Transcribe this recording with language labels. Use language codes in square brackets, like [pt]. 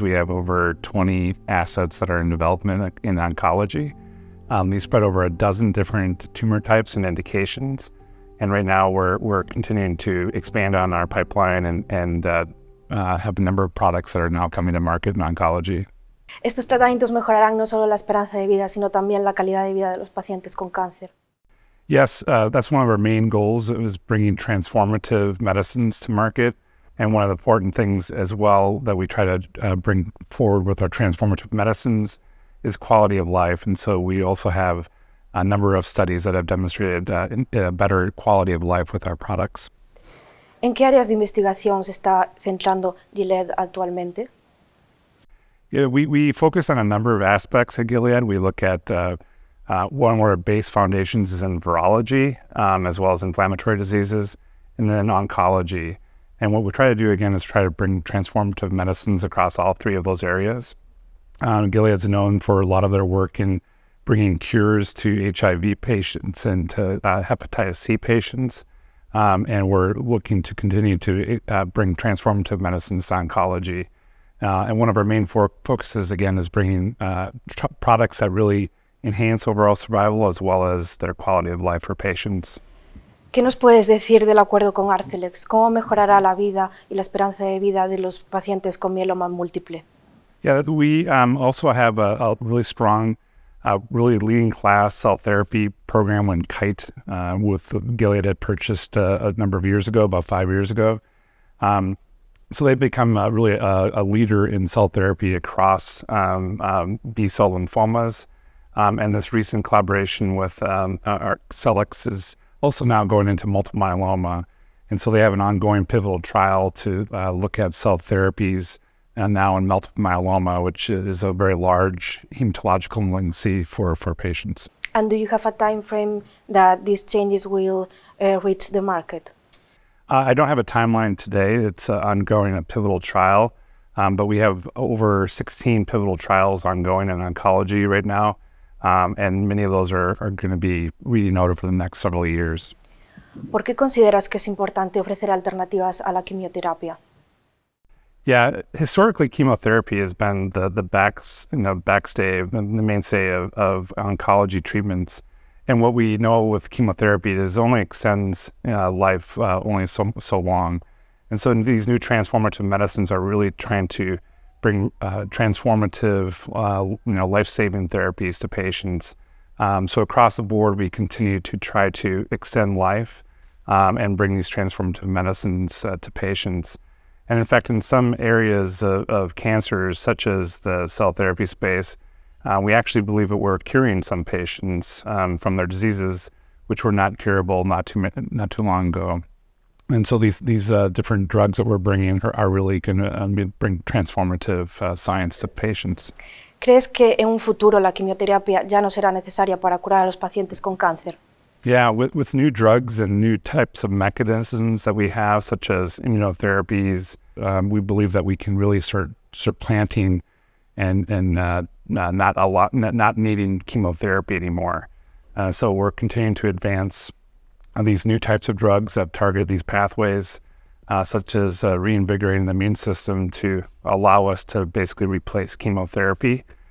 [en] We have over 20 assets that are in development in oncology. They spread over a dozen different tumor types and indications. And right now we're continuing to expand on our pipeline and have a number of products that are now coming to market in oncology. [es] Estos tratamientos mejorarán no solo la esperanza de vida, sino también la calidad de vida de los pacientes con cáncer. [en] Yes, that's one of our main goals, is bringing transformative medicines to market. And one of the important things as well that we try to bring forward with our transformative medicines is quality of life. And so we also have a number of studies that have demonstrated a better quality of life with our products. [es] ¿En qué áreas de investigación se está centrando Gilead actualmente? [en] Yeah, we focus on a number of aspects at Gilead. We look at one of our base foundations is in virology, as well as inflammatory diseases, and then oncology. And what we try to do again is try to bring transformative medicines across all three of those areas. Gilead's known for a lot of their work in bringing cures to HIV patients and to hepatitis C patients. And we're looking to continue to bring transformative medicines to oncology. And one of our main focuses, again, is bringing products that really enhance overall survival as well as their quality of life for patients. [es] ¿Qué nos puedes decir del acuerdo con Arcelex? ¿Cómo mejorará la vida y la esperanza de vida de los pacientes con mieloma múltiple? [en] Yeah, we also have a really strong, really leading class cell therapy program when Kite, with Gilead, had purchased a number of years ago, about 5 years ago. So they've become really a leader in cell therapy across B-cell lymphomas. And this recent collaboration with Arcelix is also now going into multiple myeloma. And so they have an ongoing pivotal trial to look at cell therapies and now in multiple myeloma, which is a very large hematological malignancy for patients. And do you have a time frame that these changes will reach the market? I don't have a timeline today. It's ongoing, a pivotal trial, but we have over 16 pivotal trials ongoing in oncology right now. And many of those are going to be reading out over the next several years. [es] ¿Por qué consideras que es importante ofrecer alternativas a la quimioterapia? [en] Yeah, historically, chemotherapy has been the mainstay of oncology treatments. And what we know with chemotherapy is it only extends life only so long. And so these new transformative medicines are really trying to bring transformative, life-saving therapies to patients. So across the board, we continue to try to extend life and bring these transformative medicines to patients. And in fact, in some areas of cancers, such as the cell therapy space, we actually believe that we're curing some patients from their diseases, which were not curable not too long ago. And so these different drugs that we're bringing are really going to bring transformative science to patients. [es] ¿Crees que en un futuro la quimioterapia ya no será necesaria para curar a los pacientes con cáncer? [en] Yeah, with new drugs and new types of mechanisms that we have, such as immunotherapies, we believe that we can really start planting and not needing chemotherapy anymore. So we're continuing to advance these new types of drugs that target these pathways, such as reinvigorating the immune system to allow us to basically replace chemotherapy.